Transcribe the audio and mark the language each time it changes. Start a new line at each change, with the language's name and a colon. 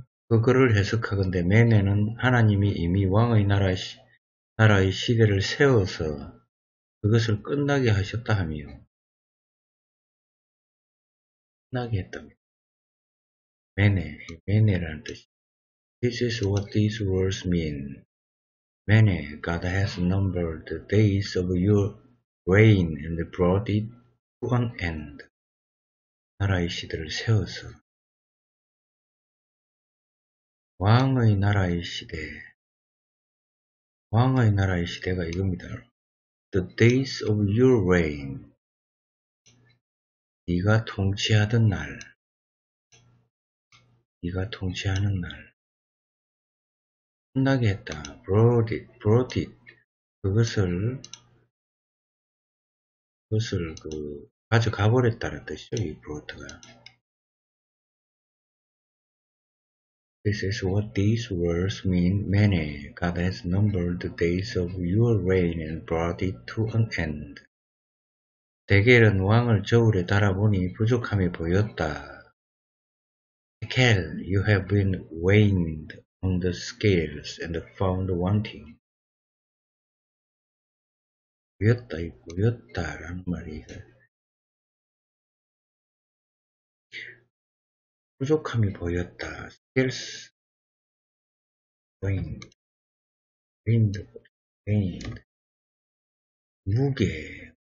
Korean: 그 글을 해석하건대 매네는 하나님이 이미 왕의 나라의 시대를 세워서 그것을 끝나게 하셨다 하며 끝나게 했다며 매네라는 뜻이
English: This is what these words mean. Many, God has numbered the days of your reign and brought it to an end.
Korean: 나라의 시대를 세워서 왕의 나라의 시대 왕의 나라의 시대가 이겁니다.
English: The days of your reign
Korean: 네가 통치하던 날 네가 통치하는 날 끝나게 했다.
English: Brought it
Korean: 그것을 그 가져가 버렸다는 뜻이죠. 이 brought가
English: This is what these words mean. Many God has numbered the days of your reign and brought it to an end.
Korean: 데겔은 왕을 저울에 달아보니 부족함이 보였다.
English: Tekel, you have been weighed on the scales and found wanting.
Korean: 보였다란 말이 부족함이 보였다.
English: Scales, weighed.
Korean: 무게.